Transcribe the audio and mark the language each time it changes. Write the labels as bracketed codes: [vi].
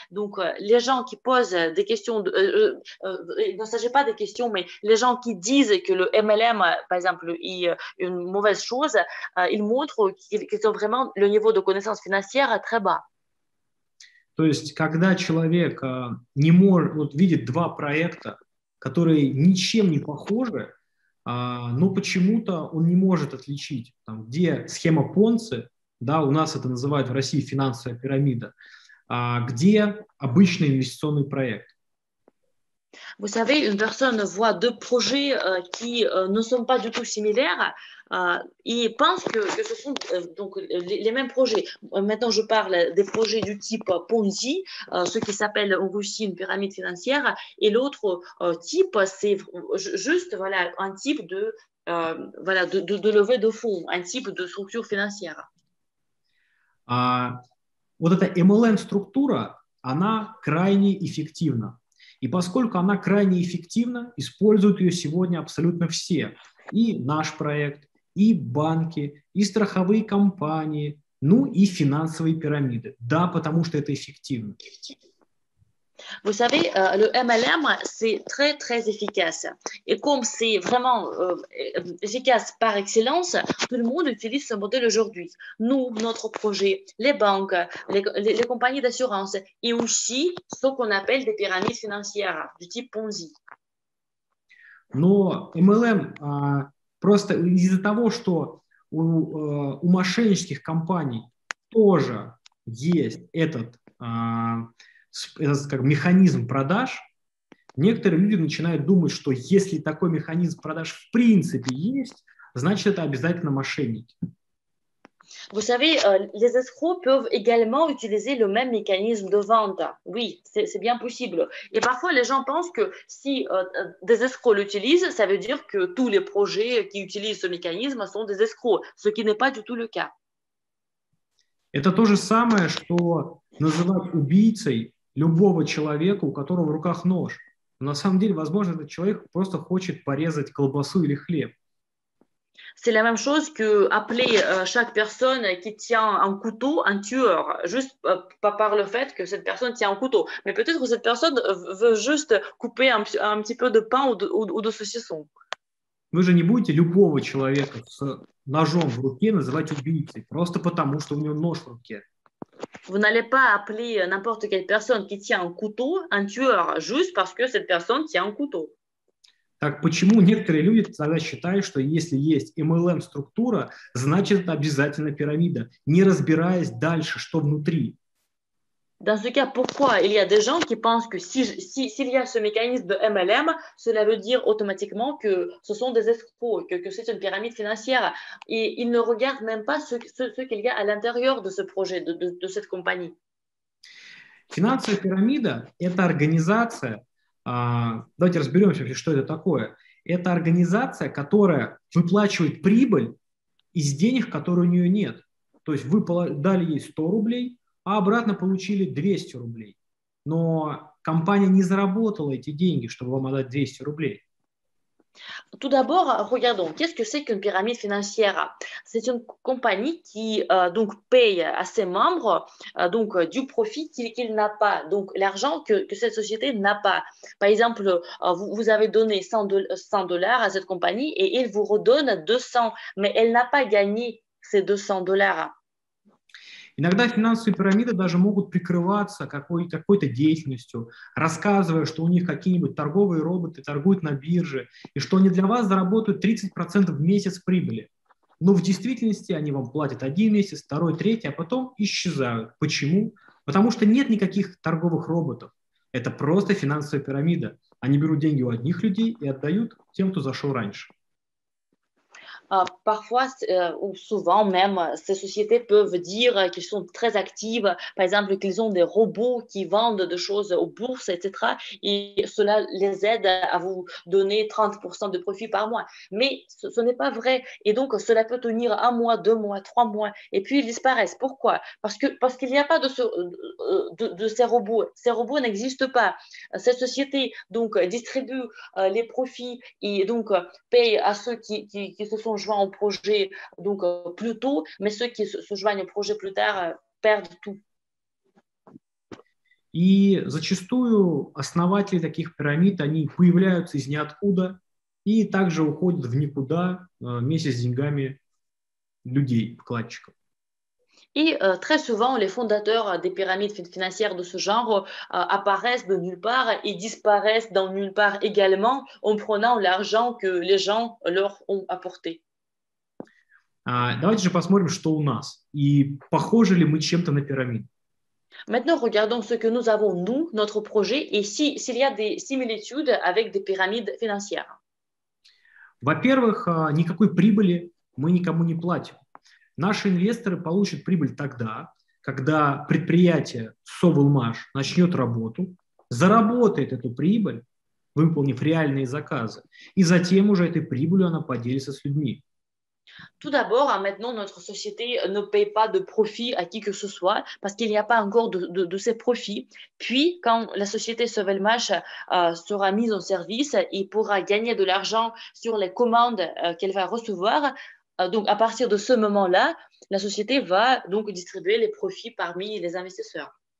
[fr] Donc, les gens qui posent des questions, il ne s'agit pas des questions, mais les gens qui disent que le MLM, par exemple, est une mauvaise chose, ils montrent qu'ils ont vraiment le niveau de connaissances financières très bas. [ru] То есть, когда человек не может, вот видит два проекта, которые ничем не похожи, но почему-то он не может отличить, там, где схема Понци, да, у нас это называют в России финансовая пирамида, где обычный инвестиционный проект. [fr] Vous savez, une personne voit deux projets qui ne sont pas du tout similaires et pense que ce sont donc les mêmes projets. Maintenant, je parle des projets du type Ponzi, ce qui s'appelle en Russie une pyramide financière, et l'autre type, c'est juste voilà, un type de, voilà, de levée de fonds, un type de structure financière. [ru] Вот эта MLM-структура, она крайне эффективна. И поскольку она крайне эффективна, используют ее сегодня абсолютно все. И наш проект, и банки, и страховые компании, ну и финансовые пирамиды. Да, потому что это эффективно. [fr] Vous savez, le MLM, c'est très, très efficace. Et comme c'est vraiment efficace par excellence, tout le monde utilise ce modèle aujourd'hui. Nous, notre projet, les banques, les compagnies d'assurance et aussi ce qu'on appelle des pyramides financières du type Ponzi. [ru] Но MLM, просто из-за того, что у мошеннических компаний тоже есть этот... этот как механизм продаж, некоторые люди начинают думать, что если такой механизм продаж в принципе есть, значит, это обязательно мошенники. [fr] Vous savez, les escrocs peuvent également utiliser le même mécanisme de vente. Oui, c'est bien possible. Et parfois, les gens pensent que si des escrocs l'utilisent, ça veut dire que tous les projets qui utilisent ce mécanisme sont des escrocs, ce qui n'est pas du tout le cas. [ru] Это то же самое, что называть убийцей любого человека, у которого в руках нож. Но на самом деле, возможно, этот человек просто хочет порезать колбасу или хлеб. [fr] C'est la même chose que appeler chaque personne qui tient un couteau un tueur, juste par le fait que cette personne tient un couteau. Mais peut-être que cette personne veut juste couper un petit peu de pain ou de saucisson. [ru] Вы же не будете любого человека с ножом в руке называть убийцей, просто потому что у него нож в руке. [fr] Vous n'allez pas appeler n'importe quelle personne qui tient un couteau un tueur juste parce que cette personne tient un couteau. [ru] Так почему некоторые люди тогда считают, что если есть MLM структура, значит это обязательно пирамида, не разбираясь дальше, что внутри? [fr] Dans ce cas, pourquoi il y a des gens qui pensent que s'il y a ce mécanisme de MLM, cela veut dire automatiquement que ce sont des escrocs, que c'est une pyramide financière. Et ils ne regardent même pas ce qu'il y a à l'intérieur de ce projet, de cette compagnie. [ru] Финансовая пирамида – это организация, давайте разберемся, что это такое. Это организация, которая выплачивает прибыль из денег, которые у нее нет. То есть вы дали ей 100 рублей, а обратно получили 200 рублей. Но компания не заработала эти деньги, чтобы вам отдать 200 рублей. [fr] Tout d'abord, regardons, qu'est-ce que c'est qu'une pyramide financière? C'est une compagnie qui donc paye à ses membres donc du profit qu'il n'a pas, donc l'argent que cette société n'a pas. Par exemple, vous avez donné 100 dollars à cette compagnie et il vous redonne 200, mais elle n'a pas gagné ces 200 dollars. [ru] Иногда финансовые пирамиды даже могут прикрываться какой-то деятельностью, рассказывая, что у них какие-нибудь торговые роботы торгуют на бирже, и что они для вас заработают 30% в месяц прибыли. Но в действительности они вам платят один месяц, второй, третий, а потом исчезают. Почему? Потому что нет никаких торговых роботов. Это просто финансовая пирамида. Они берут деньги у одних людей и отдают тем, кто зашел раньше. [fr] Parfois, ou souvent même, ces sociétés peuvent dire qu'ils sont très actives, par exemple qu'ils ont des robots qui vendent des choses aux bourses, etc. Et cela les aide à vous donner 30% de profit par mois. Mais ce n'est pas vrai. Et donc, cela peut tenir un mois, deux mois, trois mois. Et puis, ils disparaissent. Pourquoi? Parce qu'il n'y a pas de ces robots. Ces robots n'existent pas. Ces sociétés donc, distribuent les profits et donc payent à ceux qui se sont joints au projet donc plus tôt, mais ceux qui se joignent au projet plus tard perdent tout. [ru] И зачастую основатели таких пирамид, они появляются из ниоткуда и также уходят в никуда вместе с деньгами людей, вкладчиков. [fr] Et très souvent, les fondateurs des pyramides financières de ce genre apparaissent de nulle part et disparaissent dans nulle part également en prenant l'argent que les gens leur ont apporté. [ru] Давайте же посмотрим, что у нас. И похожи ли мы чем-то на пирамиду. [fr] Maintenant, regardons ce que nous avons, nous, notre projet, et si, s'il y a des similitudes avec des pyramides financières. [ru] Во-первых, никакой прибыли мы никому не платим. Наши инвесторы получат прибыль тогда, когда предприятие Совылмаш начнет работу, заработает эту прибыль, выполнив реальные заказы, и затем уже этой прибылью она поделится с людьми. [fr] Tout d'abord, maintenant, notre société ne paye pas de profit à qui que ce soit parce qu'il n'y a pas encore de ces profits. Puis, quand la société Sovelmash sera mise en service et pourra gagner de l'argent sur les commandes qu'elle va recevoir, donc à partir de ce moment-là, la société va donc distribuer les profits parmi les investisseurs.